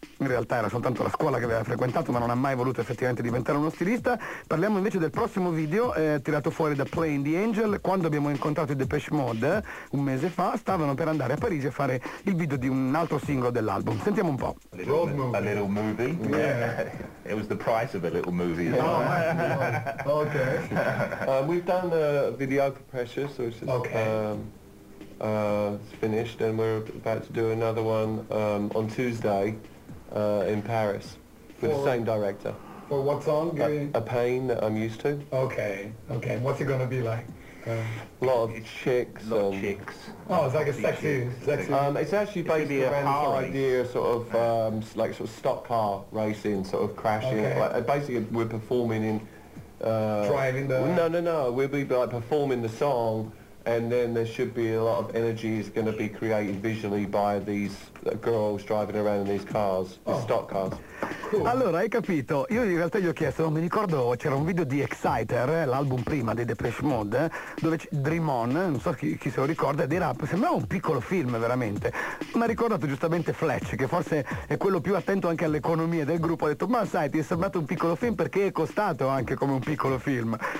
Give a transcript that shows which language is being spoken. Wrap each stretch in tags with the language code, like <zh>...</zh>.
<it>In realtà era soltanto la scuola che aveva frequentato, ma non ha mai voluto effettivamente diventare uno stilista. Parliamo invece del prossimo video, tirato fuori da Playing the Angel. Quando abbiamo incontrato i Depeche Mode, un mese fa, stavano per andare a Parigi a fare il video di un altro singolo dell'album. Sentiamo un po'.</it> <en>A little movie. Yeah. It was the price of a little movie. Oh, yeah. Okay. We've done the video for Precious, so it's just, okay. It's finished, and we're about to do another one on Tuesday. In Paris, with the same director. For what song? A pain that I'm used to. Okay. What's it gonna be like? A lot of chicks. Oh, it's like a sexy. It's actually basically a car idea, sort of like sort of stock car racing, sort of crashing. Okay. Like, basically, we're performing in. Driving the. No. We'll be like performing the song. And then there should be a lot of energy is going to be created visually by these girls driving around in these cars, these stock cars. Cool.</en> <it>Allora, hai capito? Io in realtà gli ho chiesto, mi ricordo c'era un video di Exciter, l'album prima dei Depeche Mode, dove Dream On, non so chi se lo ricorda, ed era, sembrava un piccolo film veramente. Mi ha ricordato giustamente Fletch, che forse è quello più attento anche all'economia del gruppo, ha detto, ma sai, ti è sembrato un piccolo film perché è costato anche come un piccolo film.</it>